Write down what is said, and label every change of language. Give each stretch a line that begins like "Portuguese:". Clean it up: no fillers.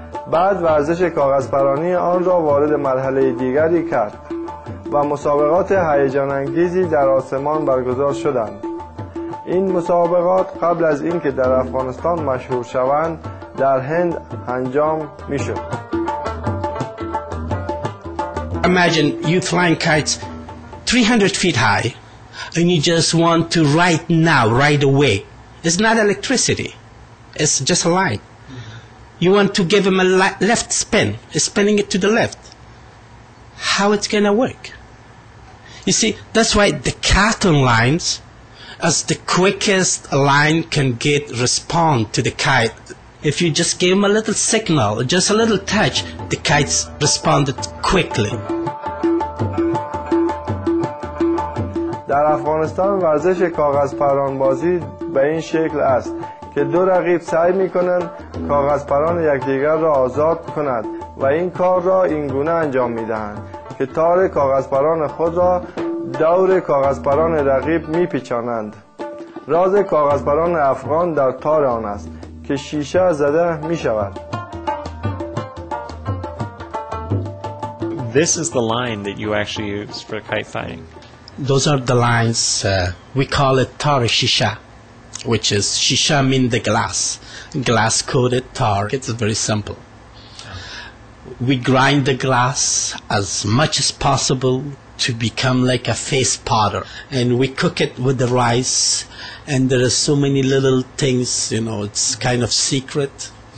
Persian: بعد ورزش کاغذپرانی آن را وارد مرحله دیگری کرد و مسابقات هیجان انگیزی در آسمان برگزار شدند. این مسابقات قبل از اینکه در افغانستان مشهور شوند در هند انجام می شد.
English: Imagine you flying kites 300 feet high and you just want to right now, right away. It's not electricity, it's just a light. You want to give him a left spin, he's spinning it to the left. How it's gonna work? You see, that's why the cotton lines as the quickest line can get respond to the kite. If you just give him a little signal, just a little touch, the kites responded quickly.
Persian: در افغانستان ورزش کاغذپران بازی به این شکل است که دو رقیب سعی می‌کنند کاغذپران یکدیگر را آزاد کنند و این کار را این گونه انجام می‌دهند که تار کاغذپران خود را دور کاغذپران رقیب می‌پیچانند. راز کاغذپران افغان در تار آن است که شیشه زده می‌شود.
English: This is the line that you actually use for kite flying. Those are the lines, we call it tar shisha, which is shisha means the glass, glass coated tar. It's very simple. We grind the glass as much as possible to become like a face powder, and we cook it with the rice, and there are so many little things, you know, it's kind of secret.